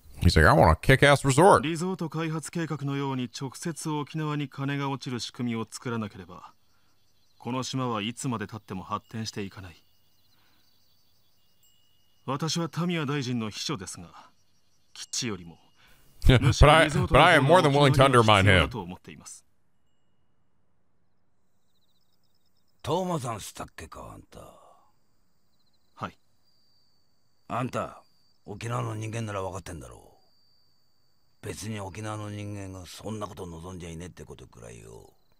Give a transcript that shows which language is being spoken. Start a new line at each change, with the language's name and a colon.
English: He's like, I want a kick-ass resort.
Japanese: リゾート開発計画のように直接沖縄に金が落ちる仕組みを作らなければ、この島はいつまで経っても発展していかない。私はタミヤ大臣の秘書ですが、基地よりも、
English: But I am more than willing to undermine him.
Japanese: と思っています。トーマさんしたっけか、あんた。はい。あんた。沖縄の人間なら分かってんだろう。別に沖縄の人間がそんなこと望んじゃいねえってことくらいよ。